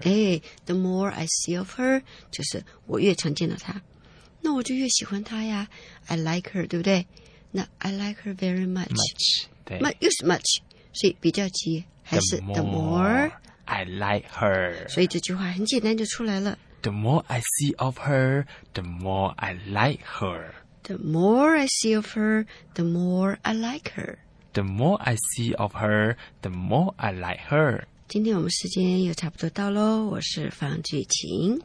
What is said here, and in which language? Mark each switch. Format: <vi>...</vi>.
<en>The more I see of her,</en> <zh>就是我越常见到他。那我就越喜欢她呀</zh> <en>I like her</en> <zh>对不对那</zh> <en>I like her very much much</en> <zh>又是 much 所以比较级还是</zh> <en>the more I like her</en> <zh>所以这句话很简单就出来了</zh> <en>the more I see of her the more I like her the more I see of her the more I like her the more I see of her the more I like her</en> <zh>今天我们时间又差不多到咯我是方俊晴</zh>